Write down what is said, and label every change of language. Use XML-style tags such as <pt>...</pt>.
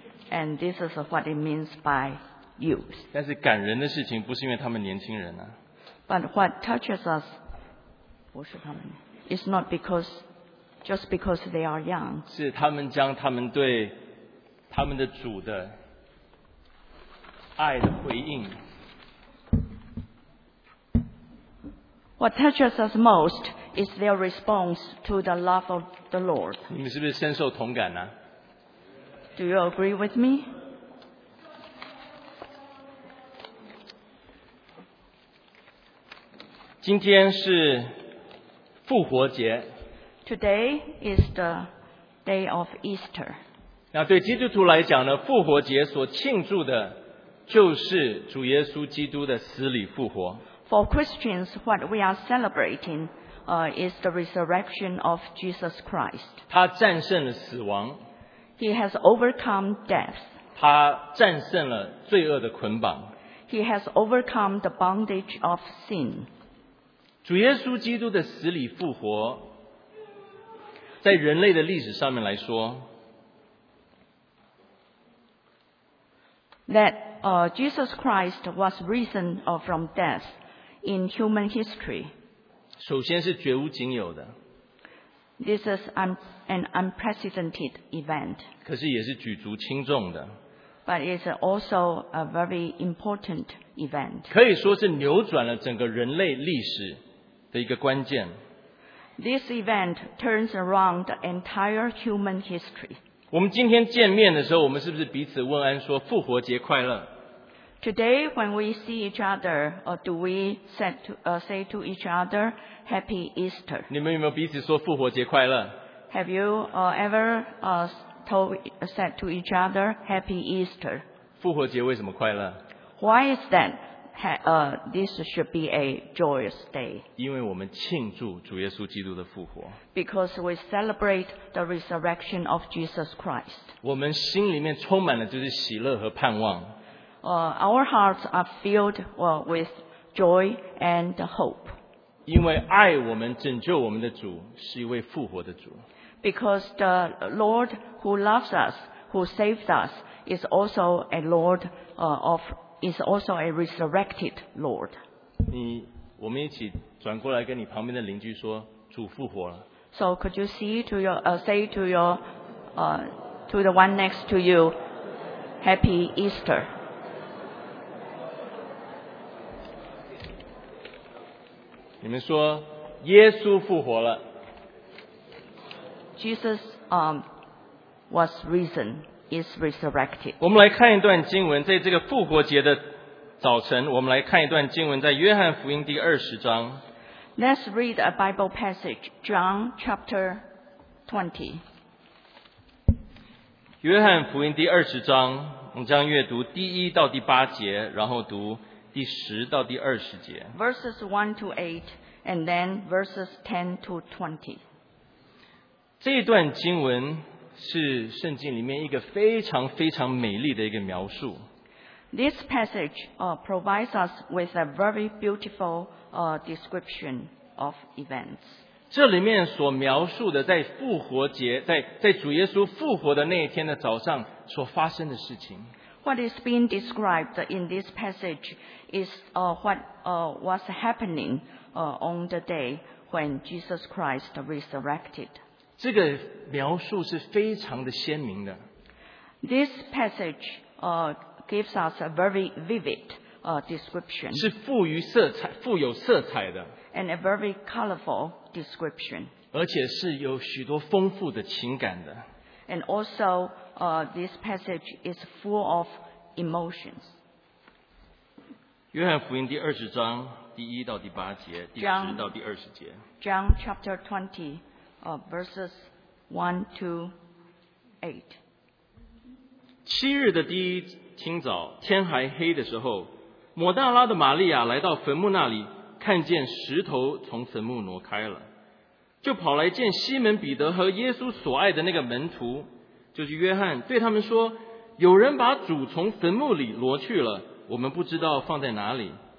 <en>And this is what it means by youth.</en> <zh>但是感人的事情不是因为他们年轻人啊。</zh> <en>But what touches us</en> <zh>不是他们。</zh> <en>It's not because just because they are young.</en> <zh>是他们将他们对他们的主的爱的回应。</zh> <en>What touches us most is their response to the love of the Lord.</en> <zh>你们是不是深受同感呢？</zh> <en>Do you agree with me?</en> <zh>今天是复活节。</zh> <en>Today is the day of Easter.</en> <zh>那对基督徒来讲呢，复活节所庆祝的就是主耶稣基督的死里复活。</zh> <en>For Christians, what we are celebrating, is the resurrection of Jesus Christ.</en> <zh>他战胜了死亡。</zh> <en>He has overcome death.</en> <zh>他战胜了罪恶的捆绑。</zh> <en>He has overcome the bondage of sin.</en> <zh>主耶稣基督的死里复活。在人类的历史上面来说</zh> <en>，that Jesus Christ was risen from death in human history。</en> <zh>首先是绝无仅有的</zh> <en>，this is an unprecedented event。</en> <zh>可是也是举足轻重的</zh> <en>，but it's also a very important event。</en> <zh>可以说是扭转了整个人类历史的一个关键。</zh> <en>This event turns around the entire human history.</en> <zh>我们今天见面的时候，我们是不是彼此问安说复活节快乐？</zh> <en>Today, when we see each other, do we say to each other, Happy Easter?</en> <zh>你们有没有彼此说复活节快乐？</zh> <en>Have you ever said to each other, Happy Easter?</en> <zh>复活节为什么快乐？</zh> <en>Why is that? This should be a joyous day.</en> <zh>因为我们庆祝主耶稣基督的复活。</zh> <en>Because we celebrate the resurrection of Jesus Christ.</en> <zh>我们心里面充满了就是喜乐和盼望。</zh> <en>Our hearts are filled with joy and hope.</en> <zh>因为爱我们、拯救我们的主是一位复活的主。</zh> <en>Because the Lord who loves us, who saved us, is also a Lord of. Is also a resurrected Lord.</en> <zh>我们一起转过来跟你旁边的邻居说，主复活了。</zh> <en>So could you see to your, say to your, to the one next to you, Happy Easter.</en> <zh>你们说耶稣复活了。</zh> <en>Jesus, was risen. Is resurrected.</en> <zh>我们来看一段经文，在这个复活节的早晨，我们来看一段经文，在约翰福音第二十章。</zh> <en>Let's read a Bible passage, John chapter 20.</en> <zh>约翰福音第二十章，我们将阅读第一到第八节，然后读第十到第二十节。</zh> <en>Verses 1 to 8, and then verses 10 to 20.</en> <zh>这一段经文是圣经里面一个非常非常美丽的一个描述。</zh> <en>This passage provides us with a very beautiful description of events.</en> <zh>这里面所描述的在复活节，在主耶稣复活的那一天的早上所发生的事情。</zh> <en>What is being described in this passage is what was happening on the day when Jesus Christ resurrected.</en> <zh>这个描述是非常的鲜明的。</zh> <en>This passage gives us a very vivid description.</en> <zh>是富于色彩，富有色彩的。</zh> <en>And a very colorful description.</en> <zh>而且是有许多丰富的情感的。</zh> <en>And also, this passage is full of emotions.</en> <zh>约翰福音第二十章第一到第八节，第十到第二十节。</zh> <en>John chapter 20, verses 1-8.</en> <zh>七日的第一清早，天还黑的时候，抹大拉的玛利亚来到坟墓那里，看见石头从坟墓挪开了，就跑来见西门彼得和耶稣所爱的那个门徒，就是约翰，对他们说，有人把主从坟墓里挪去了，我们不知道放在哪里。</zh>